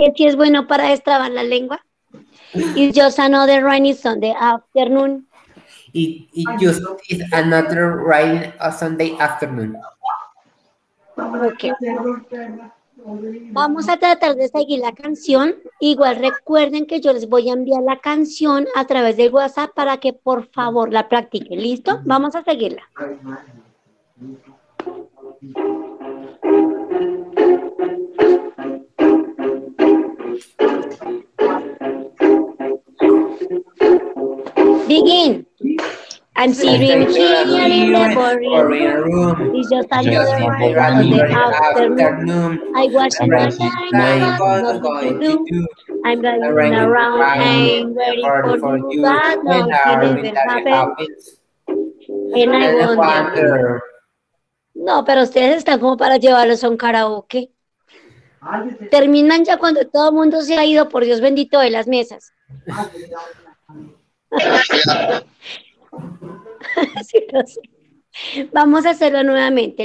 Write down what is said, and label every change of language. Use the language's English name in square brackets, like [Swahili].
[Spanish] ¿Ves si es bueno para destrabar la lengua? [English] It's just another rainy Sunday afternoon. It's just another rainy Sunday afternoon. Okay. [Spanish] Vamos a tratar de seguir la canción. Igual recuerden que yo les voy a enviar la canción a través del WhatsApp para que por favor la practiquen. ¿Listo? Vamos a seguirla. [English] Begin. I'm sitting here in the boring room. It's just another rainy afternoon. I watch the time I have nothing to do. I'm going around and waiting for you, but nothing happens. And I wonder. [Spanish] No, pero ustedes están como para llevarlos a un karaoke. Terminan ya cuando todo el mundo se ha ido, por Dios bendito, de las mesas. Sí, no sé. Vamos a hacerlo nuevamente.